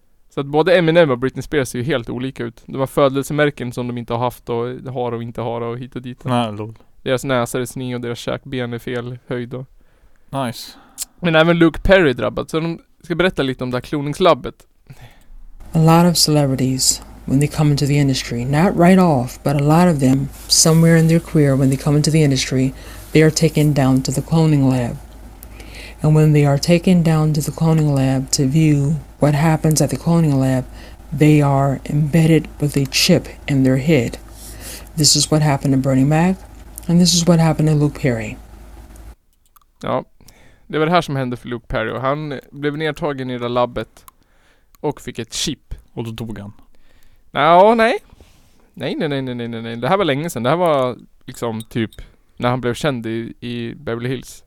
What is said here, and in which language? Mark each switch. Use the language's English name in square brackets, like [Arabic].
[Swedish] Så att både Eminem och Britney Spears ser ju helt olika ut. De har födelsemärken som de inte har haft och har och inte har och hit och dit. Nej, lol. Deras näsa är sned och deras käkben är fel höjd. Och [English] nice. [Swedish] Men även Luke Perry drabbad. Så de ska berätta lite om det här kloningslabbet. [English] A lot of celebrities when they come into the industry, not right off, but a lot of them somewhere in their career when they come into the industry, they are taken down to the cloning lab. And when they are taken down to the cloning lab to view what happens at the cloning lab, they are embedded with a chip in their head. This is what happened to Bernie Mac. And this is what happened to Luke Perry. [Swedish] Ja, det var det här som hände för Luke Perry. Och han blev nedtagen i det labbet och fick ett chip. Och då dog han. Nej. Det här var länge sedan. Det här var liksom typ när han blev känd i Beverly Hills.